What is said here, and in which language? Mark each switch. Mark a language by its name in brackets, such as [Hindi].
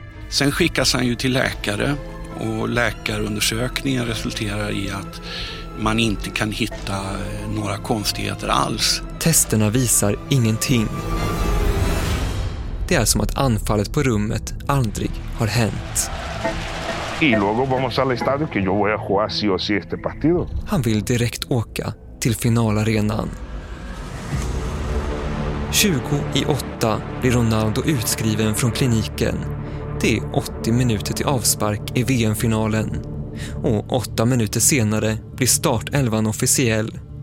[Swedish] Sen skickas han ju till läkare och läkarundersökningen resulterar i att man inte kan hitta några konstigheter alls. Testerna visar ingenting. Det är som att anfallet på rummet aldrig har hänt. [Spanish] Y luego vamos al estadio que yo voy a jugar sí o sí este partido. [Swedish] Han vill direkt åka till finalarenan. 20:08 blir Ronaldo utskriven från kliniken. Det är 80 minuter till avspark i VM-finalen. Och 8 minuter senare blir startelvan officiell.